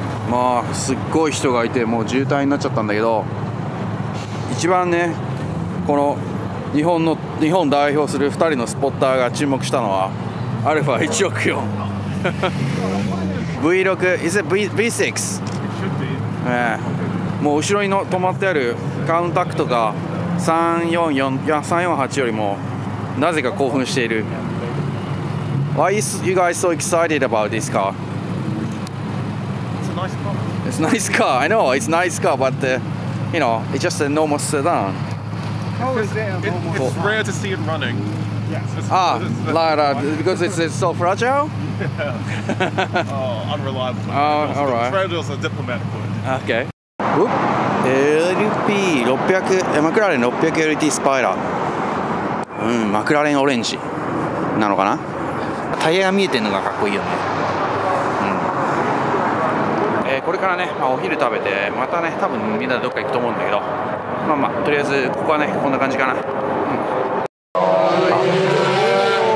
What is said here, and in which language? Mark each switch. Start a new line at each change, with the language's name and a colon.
Japanese: まあすっごい人がいてもう渋滞になっちゃったんだけど、一番ねこの日本代表する2人のスポッターが注目したのはアルファ164 V6
English: Is it V6?
Japanese: もう後ろに止まってあるカウンタクトが344、いや348よりもなぜか興奮している。
English: Why is you guys so excited about this car? It's a nice car. It's a nice car, I know, it's a nice car, but you know, it's just a normal sedan. It's rare to see it running. Ah, Lara, because it's so fragile? Yeah. Oh, unreliable. Oh, all right. Fragile is a diplomatic word. Okay.
Japanese: LP600 マクラーレン 600LT スパイラー、うん、マクラーレンオレンジなのかな。タイヤが見えてるのがかっこいいよね、うん。これからね、まあ、お昼食べてまたね多分みんなどっか行くと思うんだけど、まあまあとりあえずここはねこんな感じかな、うん。